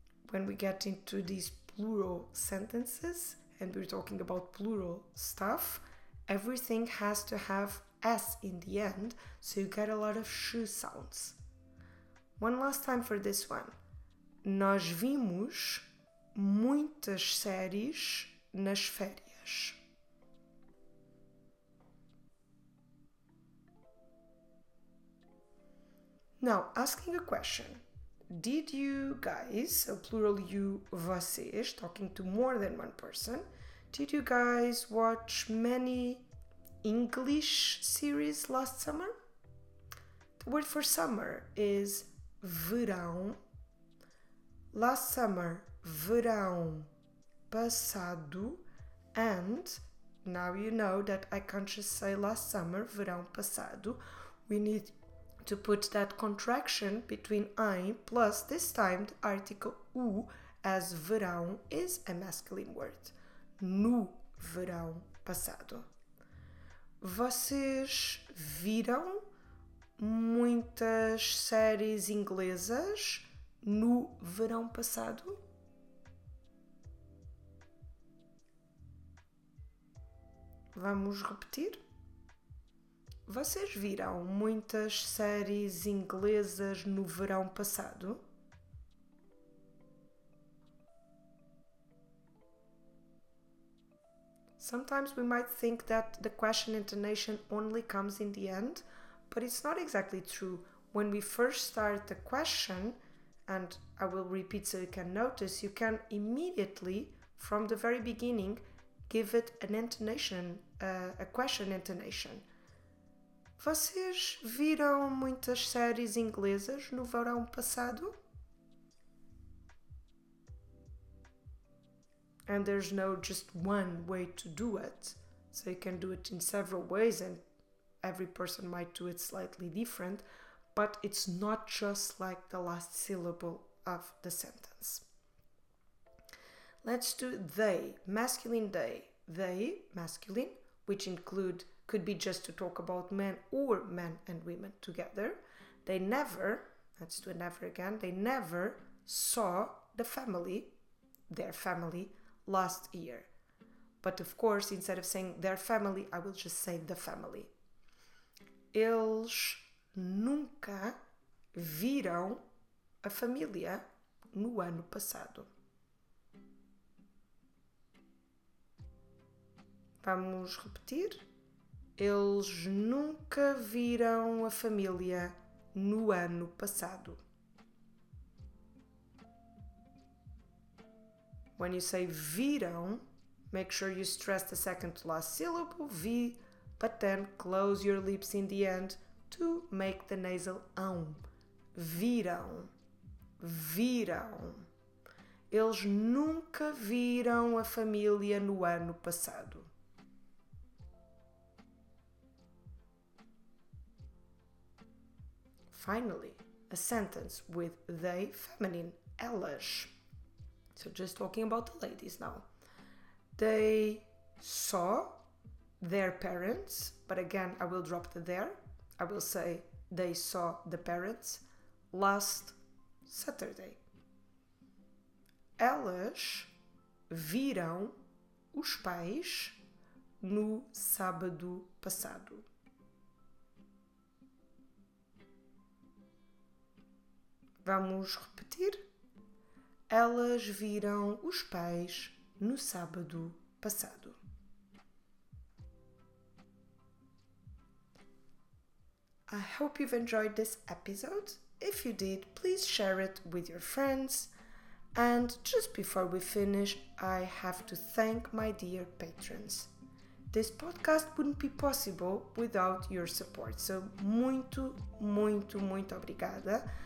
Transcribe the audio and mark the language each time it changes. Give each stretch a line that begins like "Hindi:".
English: When we get into these plural sentences, and we're talking about plural stuff, everything has to have S in the end, so you get a lot of SH sounds. One last time for this one.
Portuguese: Nós vimos muitas séries nas férias.
English: Now, asking a question. Did you guys, so plural you,
Portuguese: vocês,
English: talking to more than one person, did you guys watch many English series last summer? The word for summer is
Portuguese: verão.
English: Last summer,
Portuguese: verão passado,
English: and now you know that I can't just say last summer, verão passado. We need to put that contraction between I plus this time the article U, as verão is a masculine word.
Portuguese: No verão passado. Vocês viram muitas séries inglesas no verão passado? Vamos repetir? Vocês viram muitas séries inglesas no verão passado?
English: Sometimes we might think that the question intonation only comes in the end, but it's not exactly true. When we first start the question, and I will repeat so you can notice, you can immediately, from the very beginning, give it an intonation, a question intonation. Vocês viram muitas séries inglesas no verão passado? And there's no just one way to do it. So you can do it in several ways and every person might do it slightly different. But it's not just like the last syllable of the sentence. Let's do they, masculine they. They, masculine, which include, could be just to talk about men or men and women together. They never, let's do a never again, they never saw the family, their family, last year. But of course, instead of saying their family, I will just say the family.
Portuguese: Eles nunca viram a família no ano passado. Vamos repetir. Eles nunca viram a família no ano passado.
English: When you say viram, make sure you stress the second to last syllable, vi, but then close your lips in the end to make the nasal um.
Portuguese: Viram. Viram. Eles nunca viram a família no ano passado.
English: Finally, a sentence with they feminine,
Portuguese: elas.
English: So just talking about the ladies now. They saw their parents, but again, I will drop the there. I will say they saw the parents last Saturday.
Portuguese: Elas viram os pais no sábado passado. Vamos repetir. Elas viram os pais no sábado passado.
English: I hope you've enjoyed this episode. If you did, please share it with your friends. And just before we finish, I have to thank my dear patrons. This podcast wouldn't be possible without your support.
Portuguese: So, muito, muito, muito obrigada.